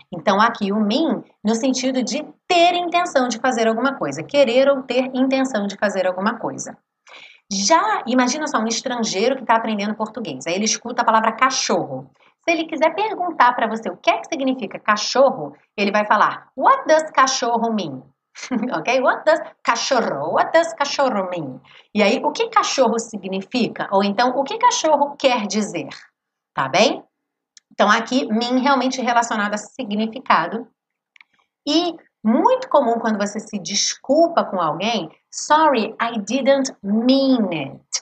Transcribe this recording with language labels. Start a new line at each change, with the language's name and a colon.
Portuguese: Então, aqui o mean no sentido de ter intenção de fazer alguma coisa, querer ou ter intenção de fazer alguma coisa. Já imagina só um estrangeiro que está aprendendo português. Aí ele escuta a palavra cachorro. Se ele quiser perguntar para você o que é que significa cachorro, ele vai falar:
English: What does cachorro mean? Ok? What does cachorro mean?
Portuguese: E aí, o que cachorro significa? Ou então, o que cachorro quer dizer? Tá bem? Então, aqui, mean realmente relacionado a significado. E muito comum quando você se desculpa com alguém,
English: sorry, I didn't mean it.